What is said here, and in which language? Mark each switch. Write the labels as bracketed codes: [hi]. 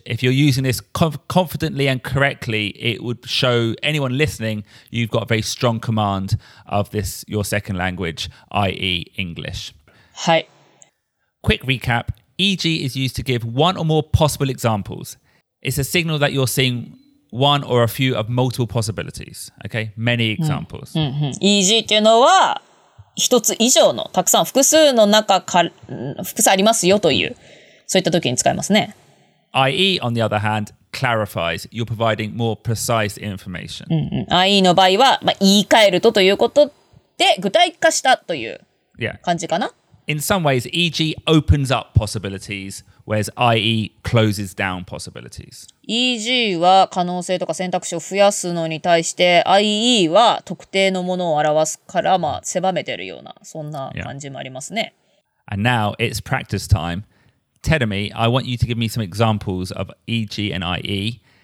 [en] If you're using this confidently and correctly, it would show anyone listening you've got a very strong command of this, your second language, i.e. English. [ja] はい。 [en] Quick recap. EG is used to give one or more possible examples. It's a signal that you're seeingOne or a few of multiple possibilities. Okay, many examples. [ja] EG っていうのは一つ以上のたくさん複数の中から複数ありますよというそういった時に使いますね。 [en] IE, on the other hand, clarifies. You're providing more precise information. [ja] IE の場合は、まあ、言い換えるとということで具体化したという感じかな。 [en] Yeah. In some ways, EG opens up possibilities. Whereas IE closes down possibilities. [ja] EG は可能性とか選択肢を増やすのに対して IE は特定のものを表すから、まあ、狭めてるようなそんな感じもありますね。 [en] Yeah. And now it's practice time. Tenomi, I want you to give me some examples of EG and IE.